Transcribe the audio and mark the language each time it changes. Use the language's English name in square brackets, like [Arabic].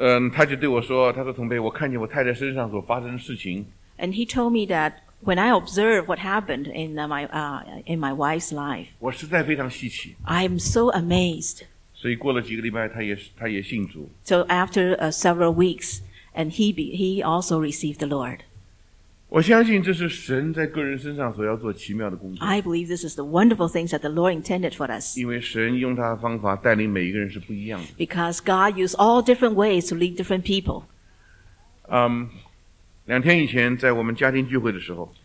[Chinese] 他就对我说，他说同辈，我看见我太太身上所发生的事情。 [English] And he told me that. When I observe what happened in my wife's life, [Chinese] 我实在非常稀奇。 [English] I'm so amazed. [Chinese] 所以过了几个礼拜，他也信主。 [English] So after several weeks, and he also received the Lord. [Chinese] 我相信这是神在个人身上所要做奇妙的工作。 [English] I believe this is the wonderful things that the Lord intended for us. [Chinese] 因为神用他的方法带领每一个人是不一样的。 [English] Because God used all different ways to lead different people. [Chinese] 两天以前在我们家庭聚会的时候